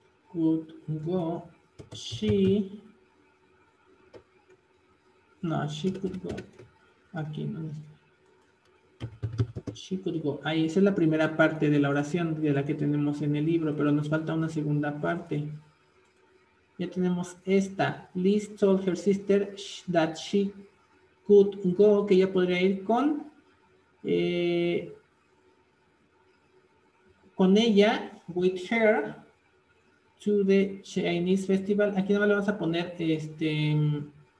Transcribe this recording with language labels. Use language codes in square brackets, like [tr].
[en] Could go. She could go. [es] Aquí no está. [en] She could go. [es] Ahí, esa es la primera parte de la oración de la que tenemos en el libro, pero nos falta una segunda parte. Ya tenemos esta. [en] Liz told her sister that she could go, [es] que ella podría ir con ella, [en] with her, to the Chinese festival. [es] Aquí nada más le vamos a poner este.